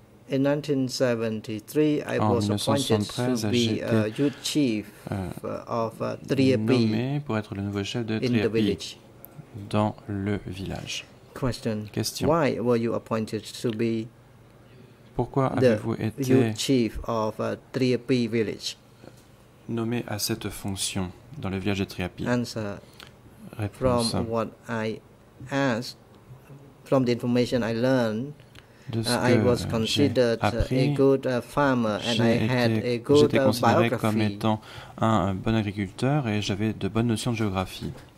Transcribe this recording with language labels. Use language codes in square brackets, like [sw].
[en] In 1973, I was appointed to be a youth chief of Triapi in the village. [fr] Dans le village. [en] Question. [fr] Question. [en] Why were you appointed to be [fr] Pourquoi [en] the [fr] avez-vous été [en] youth chief of Triapi village? [fr] Nommé à cette fonction dans le village de Triapi. [en] Answer. [fr] Réponse. [en] From what I asked, from the information I learned, I was considered [fr] appris, [en] a good farmer and I had a good biography. [fr] Comme étant un bon agriculteur et j'avais de bonnes notions de géographie.